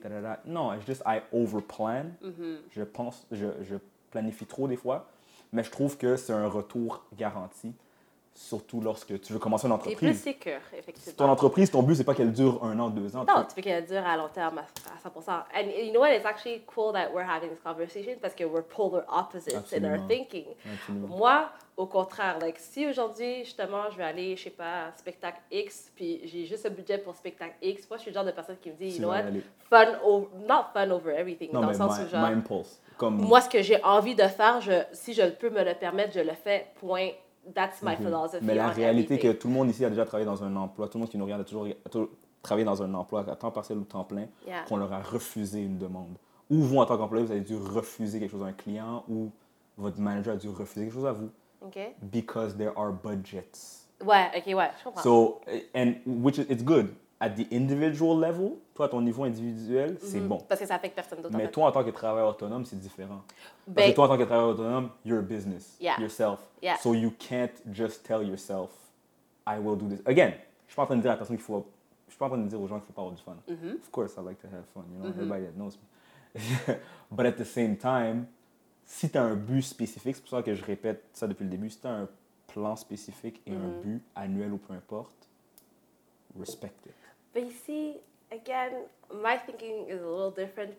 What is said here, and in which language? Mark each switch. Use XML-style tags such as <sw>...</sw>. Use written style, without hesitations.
<en>Ta-da-da. Non, it's just I overplan. Mm-hmm.</en> <fr>Je pense, je planifie trop des fois. Mais je trouve que c'est un retour garanti, surtout lorsque tu veux commencer une entreprise. C'est plus sûr, effectivement. Si ton entreprise, ton but, ce n'est pas qu'elle dure 1 an, 2 ans. Non, tu veux qu'elle dure à long terme, à 100%.</fr> <en>And you know what? It's actually cool that we're having this conversation</en> <fr>parce que</fr> <en>we're polar opposites</en> <fr>Absolument.</fr> <en>In our thinking.</en> <fr>Absolument. Moi, au contraire, like, si aujourd'hui, justement, je vais aller, je ne sais pas, spectacle X, puis j'ai juste un budget pour spectacle X, moi, je suis le genre de personne qui me dit,</fr> <en>not fun over everything.</en> <fr>Non, dans mais le sens</fr> <en>my impulse. Comme...</en> <fr>Moi, ce que j'ai envie de faire, si je peux me le permettre, je le fais, point.</fr> <en>That's my philosophy.</en> <fr>Mais la réalité que tout le monde ici a déjà travaillé dans un emploi, tout le monde qui nous regarde a toujours travaillé dans un emploi à temps partiel ou temps plein,</fr> <en>yeah.</en> <fr>qu'on leur a refusé une demande. Ou vous, en tant qu'employé, vous avez dû refuser quelque chose à un client ou votre manager a dû refuser quelque chose à vous.</fr> <en>Okay. Because there are budgets.</en> <fr>Ouais, ok, ouais, je comprends.</fr> <en>So, and which is, it's good. At the individual level,</en> <fr>toi, ton niveau individuel, mm-hmm. c'est bon. Parce que ça affecte personne d'autre. Mais en fait. Toi, en tant que travailleur autonome, c'est différent. Ben, parce que toi, en tant que travailleur autonome,</fr> <en>you're a business. Yeah. Yourself. Yeah. So you can't just tell yourself, I will do this.</en> <fr>Again, je ne suis pas en train de dire à la personne qu'il faut... Je ne suis pas en train de dire aux gens qu'il ne faut pas avoir du fun. Mm-hmm.</fr> <en>Of course, I like to have fun. You know, mm-hmm. everybody that knows me. But at the same time,</en> <fr>si tu as un but spécifique, c'est pour ça que je répète ça depuis le début, si tu as un plan spécifique et mm-hmm. un but annuel ou peu importe,</fr> <en>respect it. But you see, again, my thinking is a little different.</en>